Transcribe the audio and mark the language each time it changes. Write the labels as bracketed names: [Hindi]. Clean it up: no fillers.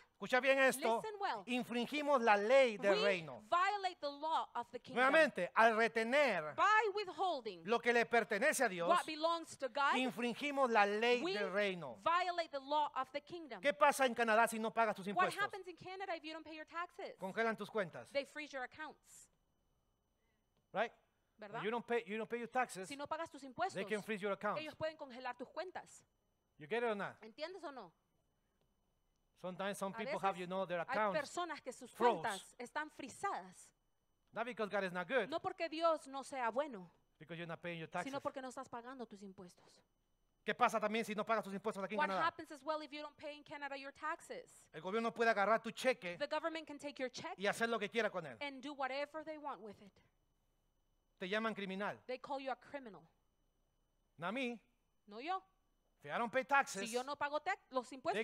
[Spanish] escucha bien esto, [English] listen well, [Spanish] infringimos la ley del reino. [English] Violate the law of the kingdom. [Spanish] Nuevamente, al retener [English] by withholding [Spanish] lo que le pertenece a Dios, [English] what belongs to God, [Spanish] infringimos la ley [English] we [Spanish] del reino. [English] Violate the law of the kingdom. [Spanish] ¿Qué pasa en Canadá si no pagas tus impuestos? [English] What happens in Canada if you don't pay your taxes? [Spanish] Congelan tus cuentas. [English] They freeze your accounts. Right? [Spanish] ¿Verdad? [English] You don't pay your taxes. [Spanish] Si no pagas tus impuestos, [English] they can freeze your accounts. [Spanish] Ellos pueden congelar tus cuentas. [English] You get it or not? [Spanish] ¿Entiendes o no? [English] Sometimes some people have, you know, their accounts. [Spanish] Hay personas que sus [English] froze. [Spanish] Cuentas están frisadas. [English] Not because God is not good. [Spanish] No porque Dios no sea bueno. [English] Because you're not paying your taxes. [Spanish] Sino porque no estás pagando tus impuestos. ¿Qué pasa también si no pagas tus impuestos aquí en Canadá? [English] What happens as well if you don't pay in Canada your taxes? [Spanish] El gobierno puede agarrar tu cheque. [English] The government can take your check. [Spanish] Y hacer lo que quiera con él. [English] And do whatever they want with it. [Spanish] Te llaman criminal. [English] They call you a criminal. [Spanish] No a mí. No yo. [English] If I don't pay taxes, [Spanish] si yo no pago los impuestos,